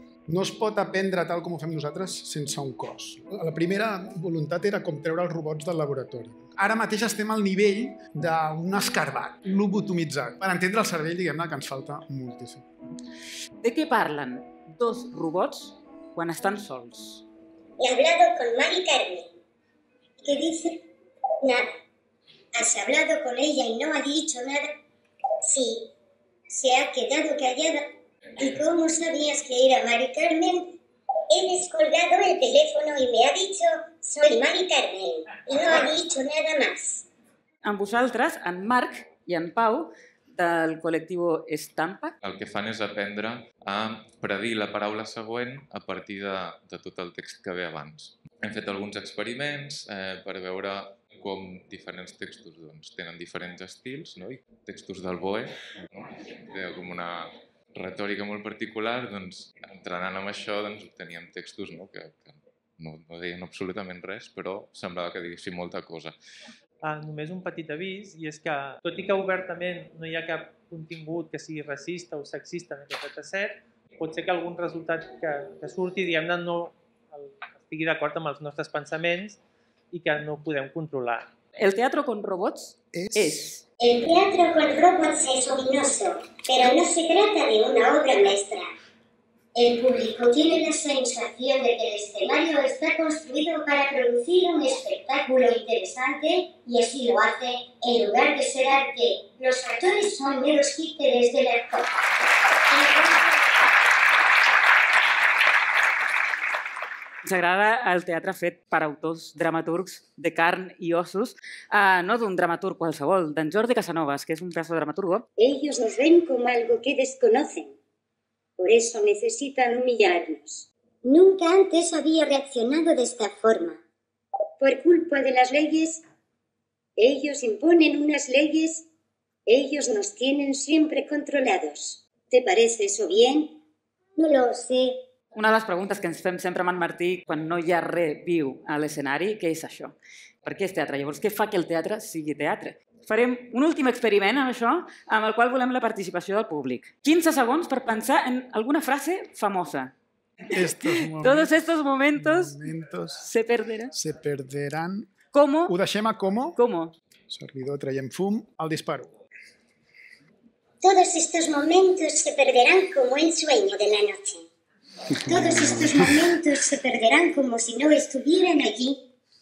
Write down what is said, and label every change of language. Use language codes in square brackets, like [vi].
[ca] No es pot aprendre tal com ho fem nosaltres sense un cos. La primera voluntat era com treure els robots del laboratori. Ara mateix estem al nivell d'un escarbat, lobotomitzat. Per entendre el cervell, diguem-ne, que ens falta moltíssim. De què parlen dos robots quan estan sols? [es] He hablado con Mari Carmen. ¿Qué dice? Nada. Has hablado con ella y no ha dicho nada. Sí, se ha quedado callada. ¿Y cómo sabías que era Mari Carmen? He descolgado el teléfono y me ha dicho soy Mari Carmen y no ha dicho nada más. [ca] Amb vosaltres, en Marc i en Pau, del col·lectiu Estampa. El que fan és aprendre a predir la paraula següent a partir de tot el text que ve abans. Hem fet alguns experiments per veure com diferents textos doncs, tenen diferents estils, no? I textos del Boe, no? Té com una retòrica molt particular, doncs, entrenant amb això doncs, obteníem textos, no? que no deien absolutament res, però semblava que diguessin molta cosa. Només un petit avís, i és que, tot i que obertament no hi ha cap contingut que sigui racista o sexista en aquest set, pot ser que algun resultat que surti, diguem-ne, no estigui d'acord amb els nostres pensaments i que no podem controlar. [es] El teatro con robots és... El teatro con robots es ominoso, pero no se trata de una obra maestra. El público tiene la sensación de que el escenario está construido para producir un espectáculo interesante y así lo hace, en lugar de ser arte. Los actores son meros títeres del actor. [ca] Ens agrada el teatre fet per autors dramaturgs de carn i ossos, no d'un dramaturg qualsevol, d'en Jordi Casanovas, que és [es] un pedazo dramaturgo. Ellos nos ven como algo que desconocen. Por eso necesitan humillarnos. Nunca antes había reaccionado de esta forma. Por culpa de las leyes, Ellos imponen unas leyes. Ellos nos tienen siempre controlados. ¿Te parece eso bien? No lo sé. [ca] Una de les preguntes que ens fem sempre amb en Martí quan no hi ha res viu a l'escenari, què és això? Per què és teatre? Llavors, què fa que el teatre sigui teatre? Farem un últim experiment amb això, amb el qual volem la participació del públic. 15 segons per pensar en alguna frase famosa. [es] Todos estos momentos se perderán. Se perderán. ¿Cómo? [ca] Ho deixem a cómo. [es] ¿Cómo? [ca] Servidor, traiem fum, [es] el disparo. Todos estos momentos se perderán como el sueño de la noche. Todos estos momentos se perderán como si no estuvieran allí.